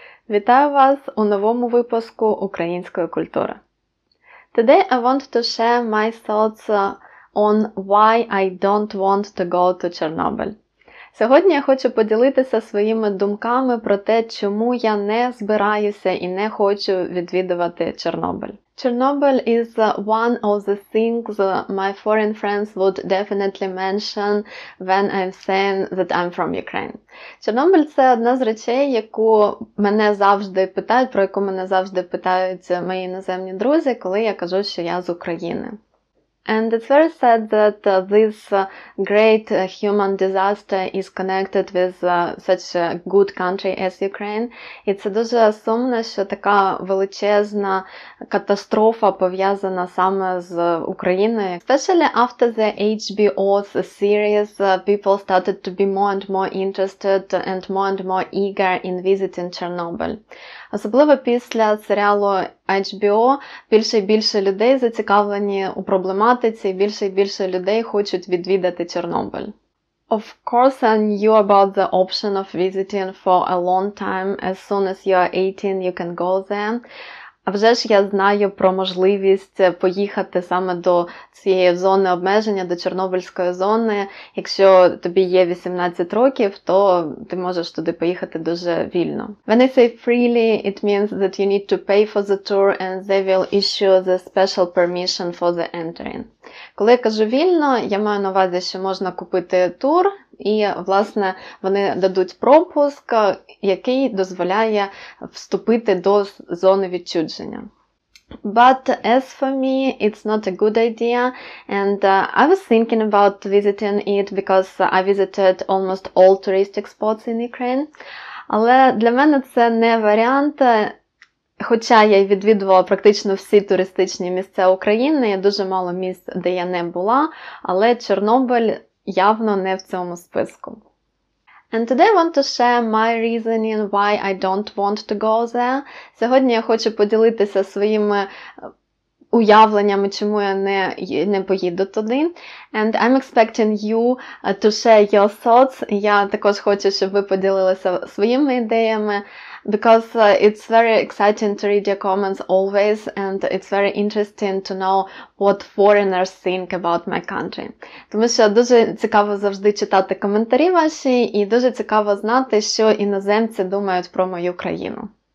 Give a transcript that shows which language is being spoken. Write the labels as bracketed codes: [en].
[uk] Вітаю вас у новому випуску української культури. [en] Today I want to share my thoughts on why I don't want to go to Chernobyl. [uk] Сьогодні я хочу поділитися своїми думками про те, чому я не збираюся і не хочу відвідувати Чорнобиль. [en] Chernobyl is one of the things my foreign friends would definitely mention when I'm saying that I'm from Ukraine. [uk] Chernobyl – це одна з речей, яку мене завжди питають, про яку мене завжди питають мої іноземні друзі, коли я кажу, що я з України. [en] And it's very sad that this great human disaster is connected with such a good country as Ukraine. [uk] І це дуже сумно, що така величезна катастрофа пов'язана саме з Україною. [en] Especially after the HBO's series, people started to be more and more interested and more eager in visiting Chernobyl. [uk] Особливо після серіалу HBO більше і більше людей зацікавлені у проблематиці, більше і більше людей хочуть відвідати Чорнобиль. [en] Of course, I knew about the option of visiting for a long time. As soon as you are 18, you can go there. [uk] А вже ж я знаю про можливість поїхати саме до цієї зони обмеження, до Чорнобильської зони. Якщо тобі є 18 років, то ти можеш туди поїхати дуже вільно. [en] When I say freely, it means that you need to pay for the tour and they will issue the special permission for the entering. [uk] Коли я кажу вільно, я маю на увазі, що можна купити тур, і, власне, вони дадуть пропуск, який дозволяє вступити до зони відчуження. [en] But as for me, it's not a good idea, and I was thinking about visiting it because I visited almost all touristic spots in Ukraine. [uk] Але для мене це не варіант. Хоча я й відвідувала практично всі туристичні місця України, я дуже мало місць, де я не була, але Чорнобиль явно не в цьому списку. [en] And today I want to share my reasoning why I don't want to go there. [uk] Сьогодні я хочу поділитися своїми уявленнями, чому я не поїду туди. [en] And I'm expecting you to share your thoughts. [uk] Я також хочу, щоб ви поділилися своїми ідеями. [en] Because it's very exciting to read your comments always, and it's very interesting to know what foreigners think about my country. [uk] Тому що дуже цікаво завжди читати коментарі ваші, і дуже цікаво знати, що іноземці думають про мою країну.